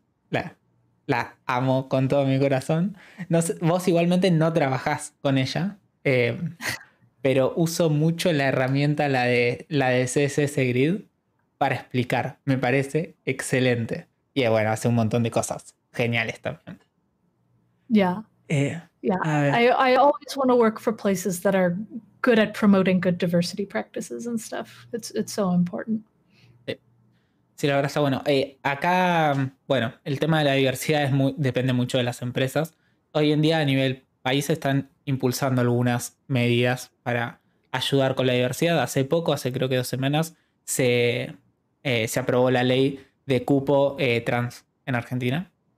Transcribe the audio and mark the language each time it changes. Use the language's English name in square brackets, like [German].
[Spanish] La amo con todo mi corazón. No sé, vos igualmente no trabajás con ella, pero uso mucho la herramienta, la de CSS Grid, para explicar. Me parece excelente. Y bueno, hace un montón de cosas geniales también. [English] I always want to work for places that are good at promoting good diversity practices and stuff. It's so important. [Spanish] Sí, la verdad está bueno. Acá, bueno, el tema de la diversidad depende mucho de las empresas. Hoy en día, a nivel país, están impulsando algunas medidas para ayudar con la diversidad. Hace poco, hace creo que 2 semanas, se aprobó la ley de cupo trans en Argentina.